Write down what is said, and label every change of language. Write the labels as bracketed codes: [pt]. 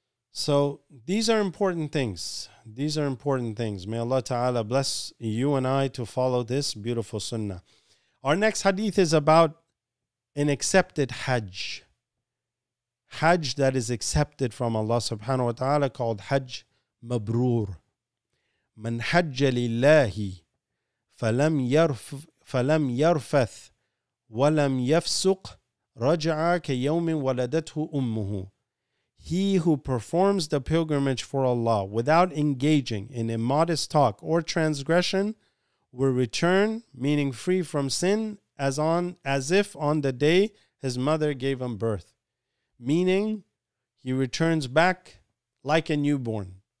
[en] So these are important things. These are important things. May Allah Ta'ala bless you and I to follow this beautiful sunnah. Our next hadith is about an accepted hajj. Hajj that is accepted from Allah Subhanahu Wa Ta'ala, called hajj mabrur. [ar] من حج لله فلم يرفث ولم يفسق رجع كيوم ولدته أمه. [en] He who performs the pilgrimage for Allah without engaging in immodest talk or transgression will return, meaning free from sin, as if on the day his mother gave him birth. Meaning, he returns back like a newborn.